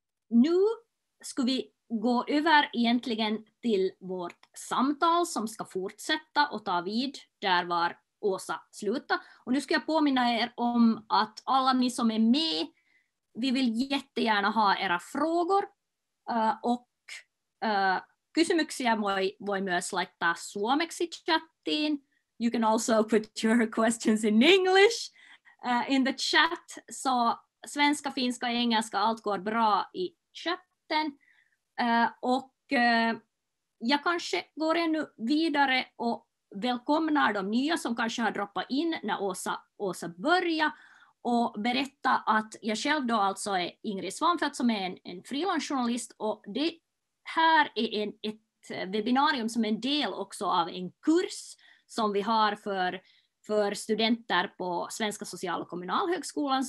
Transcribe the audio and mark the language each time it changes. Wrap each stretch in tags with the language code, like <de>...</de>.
<sv>Nu ska vi gå över egentligen till vårt samtal som ska fortsätta och ta vid där var Åsa slutade. Och nu ska jag påminna er om att alla ni som är med, vi vill jättegärna ha era frågor och</sv> <fi>kysymyksiä voi myös laittaa suomeksi chattiin.</fi> <en>You can also put your questions in English in the chat.</en> <sv>Så svenska, finska, engelska, allt går bra i chatten. Och jag kanske går ännu vidare och välkomnar de nya som kanske har droppat in när Åsa börjar och berätta att jag själv då alltså är Ingrid Svanfeldt som är en frilansjournalist och det här är ett webbinarium som är en del också av en kurs som vi har för studenter på Svenska Social- och Kommunalhögskolan.</sv>